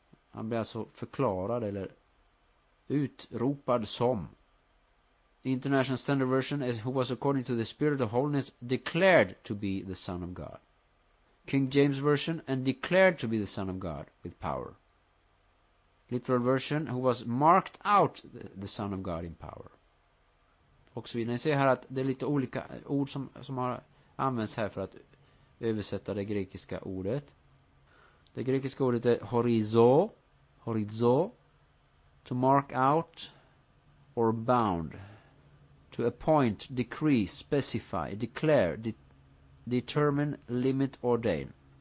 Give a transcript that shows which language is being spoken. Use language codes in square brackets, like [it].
[sv] Han blir alltså förklarad eller utropad som. [en] International Standard Version is who was according to the Spirit of Holiness declared to be the Son of God. King James Version and declared to be the Son of God with power. Literal Version, who was marked out the Son of God in power. [sv] Och så vidare. Ni ser här att det är lite olika ord som har använts här för att översätta det grekiska ordet. Det grekiska ordet är [en] horizo, horizo, to mark out or bound, to appoint, decree, specify, declare, determine, limit, ordain.